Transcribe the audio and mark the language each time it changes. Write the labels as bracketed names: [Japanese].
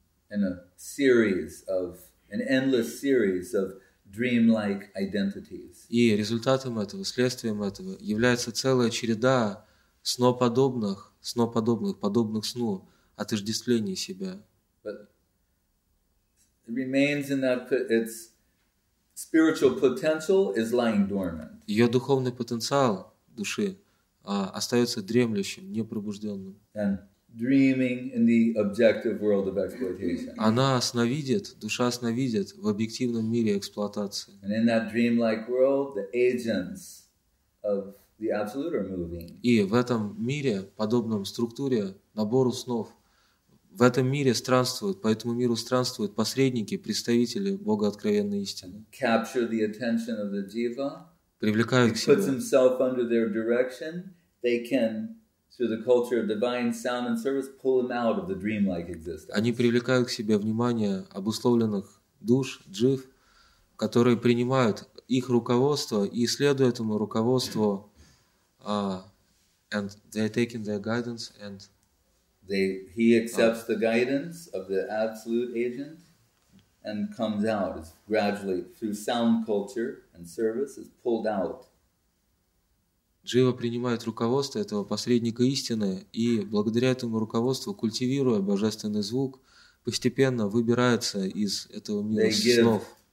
[English] In a series of, an endless series of dream-like identities. [Russian] И результатом этого, следствием этого, является целая череда сноподобных, подобных сну, отождествлений себя. [English] But it remains in that its spiritual potential is lying dormant. [Russian] Ее духовный потенциал души остается дремлющим, непробужденным. [English] And dreaming in the objective world of exploitation. [Russian] Она сновидит, душа сновидит в объективном мире эксплуатации. [English] And in that dream-like world, the agents of the absolute are moving. [Russian] И в этом мире, подобном структуре, набору снов, в этом мире странствуют, по этому миру странствуют посредники, представители Бога откровенной истины. [English] Capture the attention of the jiva. [Russian] Привлекают к себе. [English] Puts himself under their direction. They can, through the culture of divine sound and service, pull them out of the dreamlike existence. [Russian] Они привлекают к себе внимание обусловленных душ, джив, которые принимают их руководство и следуют этому руководству, [English] and they are taking their guidance, and he accepts the guidance of the absolute agent and comes out, is gradually, through sound culture and service, is pulled out. [Russian] Джива принимает руководство этого посредника истины и, благодаря этому руководству, культивируя божественный звук, постепенно выбирается из этого мира снов.